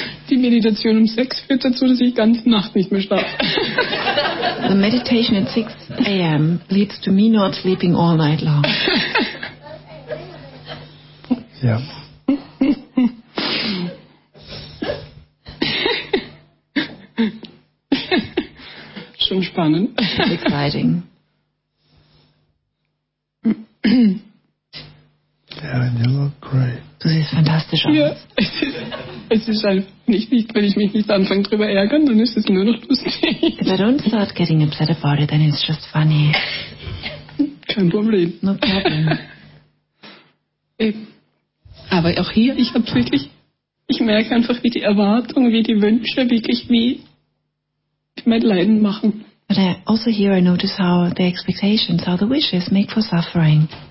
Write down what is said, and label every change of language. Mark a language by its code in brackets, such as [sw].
[de] Die Meditation 6 führt dazu, dass ich ganze Nacht nicht mehr schlafe. [en] The meditation at 6 a.m. leads to me not sleeping all night long. Yeah. [de] Schon spannend. [en] It's exciting. Yeah, and you look great. [de] Du siehst fantastisch aus. Ja, es ist halt nicht, wenn ich mich nicht anfange drüber ärgern, dann ist es nur noch lustig. [en] If I don't start getting upset about it, then it's just funny. [de] Kein Problem. [en] No problem. [de] Eben. Aber auch hier, ich habe wirklich, ich merke einfach, wie die Erwartungen, wie die Wünsche wirklich wie mein Leiden machen. [en] But I also here I notice how the expectations, how the wishes make for suffering.